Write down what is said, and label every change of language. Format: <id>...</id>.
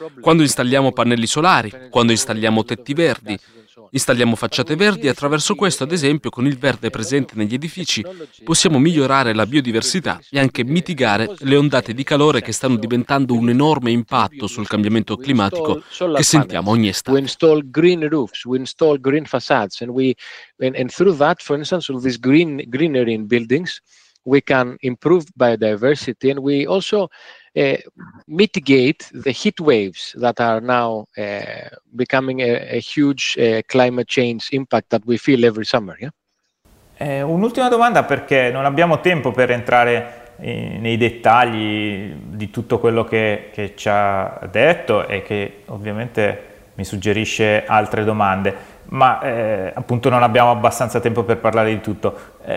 <it>Quando installiamo pannelli solari, quando installiamo tetti verdi, installiamo facciate verdi e attraverso questo, ad esempio, con il verde presente negli edifici, possiamo migliorare la biodiversità e anche mitigare le ondate di calore che stanno diventando un enorme impatto sul cambiamento climatico che sentiamo ogni estate.</it> <en>We install green roofs, we install green facades and through that, for instance, with these greenery in buildings, we can improve biodiversity and we also mitigate the heat waves that are now becoming a huge climate change impact that we feel every summer. Yeah?</en> <it>Un'ultima domanda, perché non abbiamo tempo per entrare nei dettagli di tutto quello che ci ha detto e che ovviamente mi suggerisce altre domande, ma appunto non abbiamo abbastanza tempo per parlare di tutto.</it>